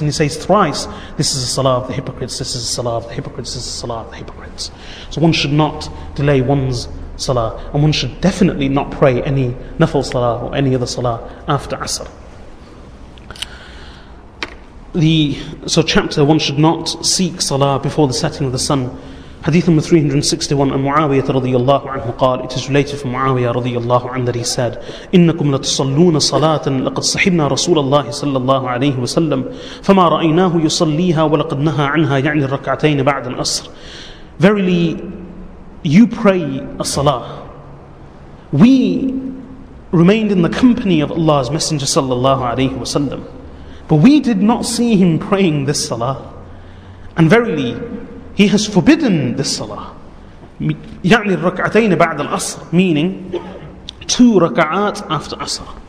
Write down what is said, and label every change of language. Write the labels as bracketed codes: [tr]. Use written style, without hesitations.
[en] And he says thrice, this is the salah of the hypocrites, this is the salah of the hypocrites, this is the salah of the hypocrites. So one should not delay one's salah, and one should definitely not pray any nafil salah or any other salah after Asr. So chapter, one should not seek salah before the setting of the sun. Hadith number 361, and Muawiyah radiyallahu anhu qal, it is related from Muawiyah radiyallahu anhu that he said, [ar] إِنَّكُمْ لَتُصَلُّونَ صَلَاةً لَقَدْ صَحِبْنَا رَسُولَ اللَّهِ صَلَّى اللَّهُ عَلَيْهِ وَسَلَّمْ فَمَا رَأَيْنَاهُ يُصَلِّيهَا وَلَقَدْ نَهَا عَنْهَا يَعْنِ الرَّكَعْتَيْنِ بَعْدَ الْأَصْرِ. [en] Verily, you pray a salah. We remained in the company of Allah's Messenger sallallahu alayhi wa sallam, but we did not see him praying this salah. And verily, he has forbidden this salah. [ar] يعني الركعتين بعد العصر, [en] meaning two rak'at after asr.